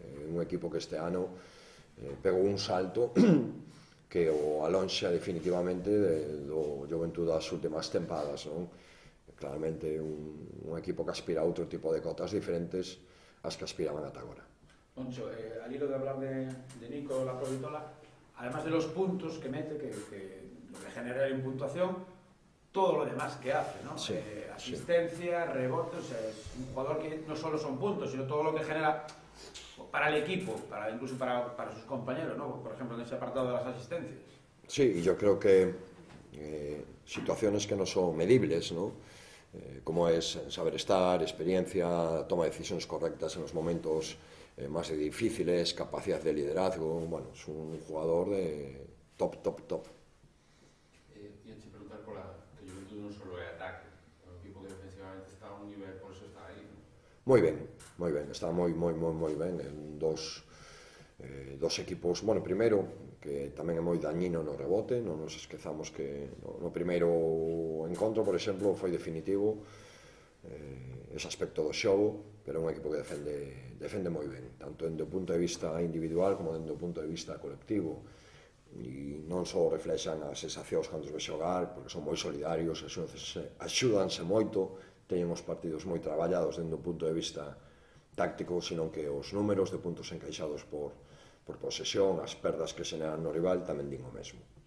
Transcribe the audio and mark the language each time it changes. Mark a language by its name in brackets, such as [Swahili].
[Galician] un equipo que este ano pegou un salto que o alonxa definitivamente do Juventud das últimas tempadas, non? Claramente un equipo que aspira a outro tipo de cotas diferentes ás que aspiraban ata agora. [Spanish] Poncho, al hilo de hablar de Nico Laprovittola, además de los puntos que mete, que le genera en puntuación, todo lo demás que hace, ¿no? Sí, asistencia, sí. Rebote, o sea, es un jugador que no solo son puntos, sino todo lo que genera para el equipo, incluso para sus compañeros, ¿no? Por ejemplo, en ese apartado de las asistencias. Sí, yo creo que situaciones que no son medibles, ¿no? Como es saber estar, experiencia, toma de decisiones correctas en los momentos más difíciles, capacidad de liderazgo, bueno, es un jugador de top. Y antes de preguntar por que Juventud no solo es ataque, un equipo que defensivamente está a un nivel, por eso está ahí. Muy bien, está muy bien, dos equipos, bueno, primero, [Galician] que tamén é moi dañino no rebote, non nos esquezamos que no primeiro encontro, por exemplo, foi definitivo ese aspecto do xogo, pero é un equipo que defende moi ben, tanto dende o punto de vista individual como dende o punto de vista colectivo, e non só reflexan as sensacións cando se ve xogar, porque son moi solidarios, axúdanse moito, teñen os partidos moi traballados dende o punto de vista táctico, senón que os números de puntos encaixados por posesión, as perdas que xeneran no rival, tamén din o mesmo.